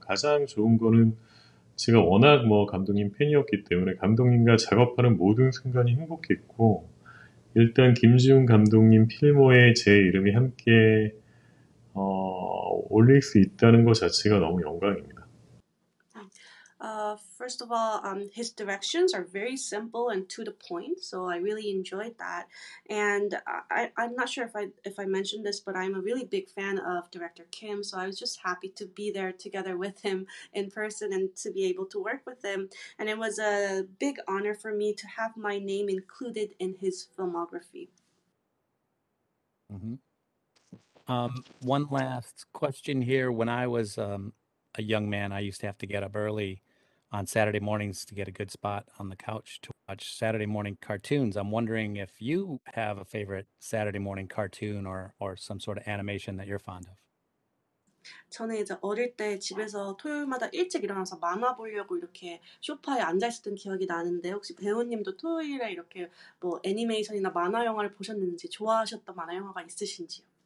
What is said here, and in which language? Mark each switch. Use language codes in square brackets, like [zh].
[ko] 가장 좋은 거는 제가 워낙 뭐 감독님 팬이었기 때문에 감독님과 작업하는 모든 순간이 행복했고, 일단 김지훈 감독님 필모에 제 이름이 함께 올릴 수 있다는 것 자체가 너무 영광입니다. [en] First of all, his directions are very simple and to the point, so I really enjoyed that. And I'm not sure if I mentioned this, but I'm a really big fan of director Kim, so I was just happy to be there together with him in person and to be able to work with him. And it was a big honor for me to have my name included in his filmography. One last question here. When I was a young man, I used to have to get up early on Saturday mornings to get a good spot on the couch to watch Saturday morning cartoons. I'm wondering if you have a favorite Saturday morning cartoon or some sort of animation that you're fond of. [ko] 저는 이제 어릴 때 집에서 토요일마다 일찍 일어나서 만화 보려고 이렇게 소파에 앉아 있었던 기억이 나는데, 혹시 배우님도 토요일에 이렇게 뭐 애니메이션이나 만화 영화를 보셨는지, 좋아하셨던 만화 영화가 있으신지요?